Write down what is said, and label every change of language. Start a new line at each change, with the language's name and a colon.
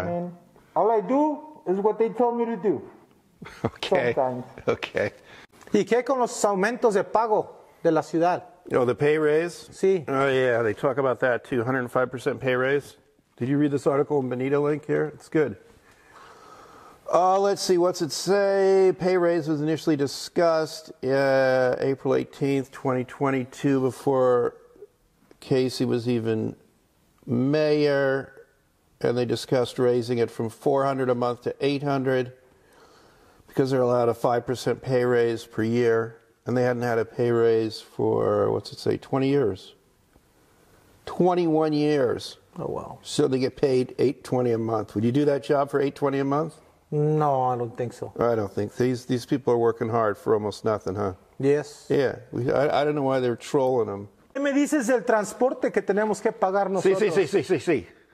English: I mean, all I do is what they tell me to do. Okay, sometimes. Okay.
Spanish: ¿Y qué con los aumentos de pago de la ciudad?
English: Oh, the pay raise?
Spanish: Sí.
English: Oh, yeah, they talk about that too, 105% pay raise. Did you read this article in Benito Link here? It's good. Let's see, what's it say? Pay raise was initially discussed April 18th, 2022, before Casey was even mayor, and they discussed raising it from $400 a month to $800. Because they're allowed a 5% pay raise per year, and they hadn't had a pay raise for, what's it say, 20 years. 21 years. Oh, wow. So they get paid $820 a month. Would you do that job for $820 a month? No, I don't think so. I don't think. These people are working hard for almost nothing, huh? Yes. Yeah. I don't know why they're trolling them.
Spanish: ¿Qué me dices del transporte que tenemos que pagar nosotros?